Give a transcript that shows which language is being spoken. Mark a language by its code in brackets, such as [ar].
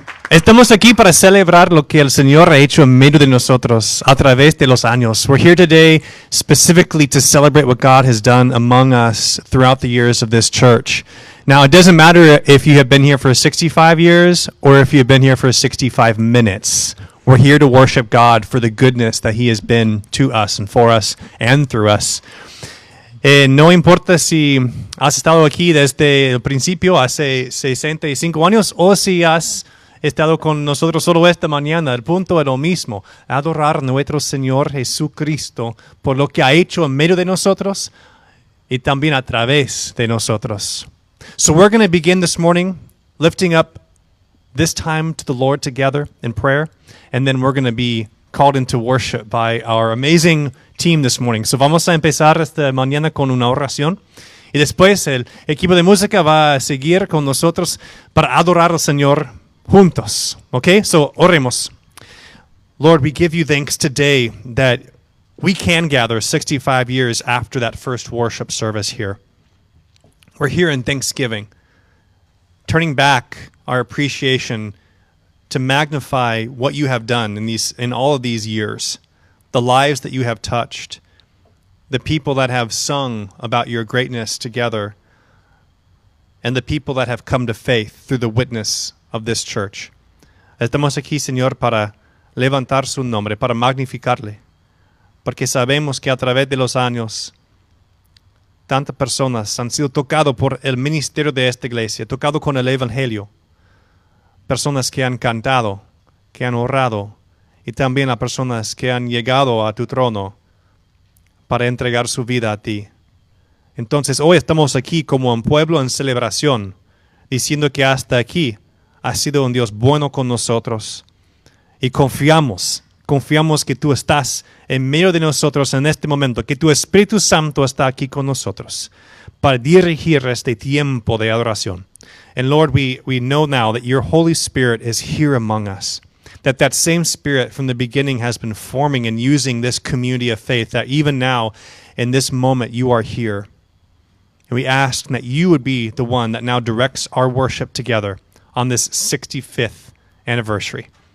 [es] Estamos aquí para celebrar lo que el Señor ha hecho en medio de nosotros a través de los años. [en] We're here today specifically to celebrate what God has done among us throughout the years of this church. Now, it doesn't matter if you have been here for 65 years or if you've been here for 65 minutes. We're here to worship God for the goodness that He has been to us and for us and through us. [es] No importa si has estado aquí desde el principio hace 65 años o si has estado con nosotros solo esta mañana. El punto es lo mismo. Adorar a nuestro Señor Jesucristo por lo que ha hecho en medio de nosotros y también a través de nosotros. [en] So we're going to begin this morning lifting up this time to the Lord together in prayer, and then we're going to be called into worship by our amazing team this morning. [es] So vamos a empezar esta mañana con una oración, y después el equipo de música va a seguir con nosotros para adorar al Señor juntos. [en] Okay, so [es] oremos. [en] Lord, we give you thanks today that we can gather 65 years after that first worship service here. We're here in thanksgiving, turning back our appreciation to magnify what you have done in all of these years, the lives that you have touched, the people that have sung about your greatness together, and the people that have come to faith through the witness of this church. [es] Estamos aquí, Señor, para levantar su nombre, para magnificarle, porque sabemos que a través de los años tantas personas han sido tocado por el ministerio de esta iglesia, tocado con el evangelio. Personas que han cantado, que han orado, y también a personas que han llegado a tu trono para entregar su vida a ti. Entonces, hoy estamos aquí como un pueblo en celebración, diciendo que hasta aquí ha sido un Dios bueno con nosotros. Y confiamos que tú estás en medio de nosotros en este momento, que tu Espíritu Santo está aquí con nosotros para dirigir este tiempo de adoración. [en] And Lord, we know now that your Holy Spirit is here among us, that same Spirit from the beginning has been forming and using this community of faith, that even now, in this moment, you are here. And we ask that you would be the one that now directs our worship together on this 65th anniversary.